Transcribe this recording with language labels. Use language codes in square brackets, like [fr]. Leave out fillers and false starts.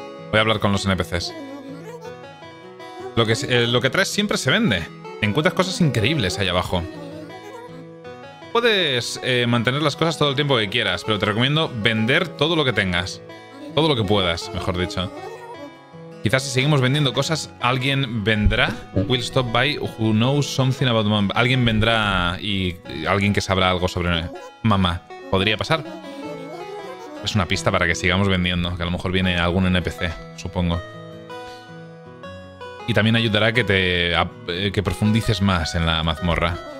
[es] Voy a hablar con los NPCs. Lo que traes siempre se vende. Encuentras cosas increíbles ahí abajo. Puedes mantener las cosas todo el tiempo que quieras, pero te recomiendo vender todo lo que tengas. Todo lo que puedas, mejor dicho. Quizás si seguimos vendiendo cosas, alguien vendrá. [en] Will stop by who knows something about mom. [es] Alguien vendrá y alguien que sabrá algo sobre mamá. Podría pasar. Es una pista para que sigamos vendiendo, que a lo mejor viene algún NPC, supongo. Y también ayudará que te que profundices más en la mazmorra.